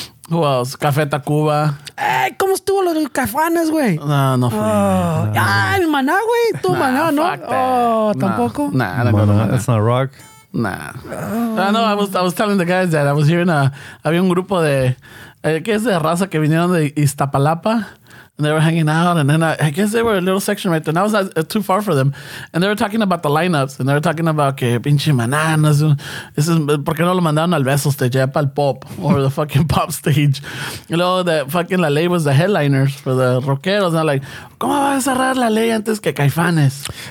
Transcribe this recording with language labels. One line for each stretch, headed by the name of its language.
English: Who else? Café Tacuba.
Spanish: Hey, ¿cómo estuvo los Caifanes, güey? No, no fue. Oh. Ah, el Maná, güey. Tu
English: nah, Maná, ¿no? Fuck that. Oh,
Spanish: tampoco.
English: Nah, no, no. That's not rock. Nah. Oh. I know, I was telling the guys that I was hearing
Spanish: había un grupo de. ¿Qué es de raza que vinieron de Iztapalapa?
English: And they were hanging out, and then I guess they were a little section right there. And I was too far for them. And they were talking about the lineups, and they were talking about
Spanish: que pinche Maná,
English: this is
Spanish: porque no lo mandaron al Beso stage, ya para el pop,
English: or the fucking pop stage. You know, that fucking La Ley was the headliners for the rockeros. And I'm like,
Spanish: ¿cómo va a cerrar La Ley antes que Caifanes?